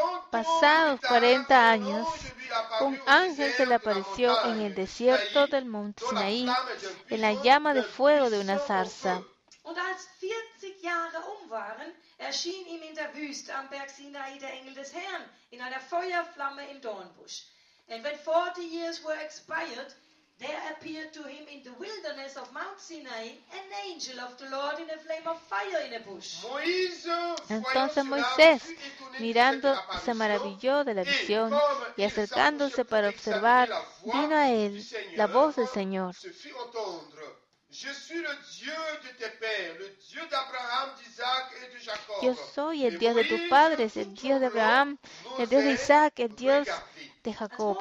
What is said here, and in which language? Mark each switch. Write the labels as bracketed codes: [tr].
[es] Pasados 40 años, un ángel se le apareció en el desierto del monte Sinaí, en la llama de fuego de una zarza. [de] Und als 40 Jahre um waren, erschien ihm in der Wüste am Berg Sinai der Engel des Herrn in einer Feuerflamme im Dornbusch. [en] And when 40 years were expired, there appeared to him in the wilderness of Mount Sinai an angel of the Lord in a flame of fire in a bush. [es] Entonces Moisés, mirando, se maravilló de la visión y acercándose para observar, vino a él la voz del Señor. [fr] Je suis le Dieu de tes pères, le Dieu d'Abraham, d'Isaac et de Jacob. [es] Yo soy el Dios de tus padres, el Dios de Abraham, el Dios de Isaac, el Dios de Jacob.